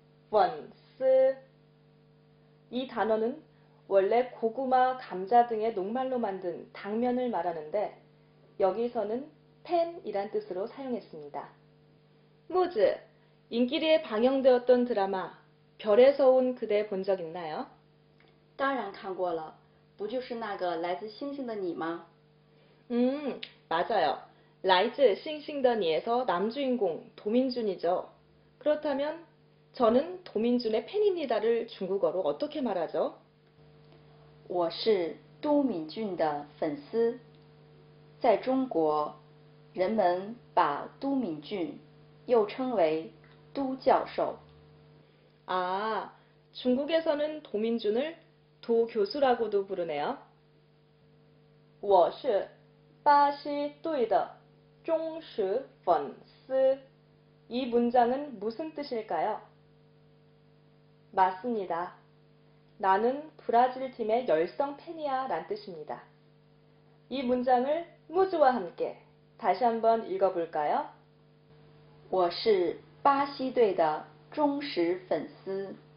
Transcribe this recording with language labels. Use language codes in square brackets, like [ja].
[ko] 粉丝 이 단어는 원래 고구마, 감자 등의 녹말로 만든 당면을 말하는데 여기서는 팬이란 뜻으로 사용했습니다. 무즈, 인기리에 방영되었던 드라마 별에서 온 그대 본적 있나요? [zh] 当然看过了，不就是那个来自星星的你吗？ [ko] 맞아요. 라이즈 싱싱 더 니에서 남주인공 도민준이죠. 그렇다면 저는 도민준의 팬입니다를 중국어로 어떻게 말하죠? [zh] 我是都敏俊的粉丝，在中国，人们把都敏俊又称为都教授。 [ko] 아, 중국에서는 도민준을 도 교수라고도 부르네요. [zh] 我是巴西队的忠实粉丝。 [ko] 이 문장은 무슨 뜻일까요? 맞습니다. 나는 브라질 팀의 열성 팬이야 란 뜻입니다. 이 문장을 무즈와 함께 다시 한번 읽어볼까요? [zh] 我是巴西队的忠实粉丝。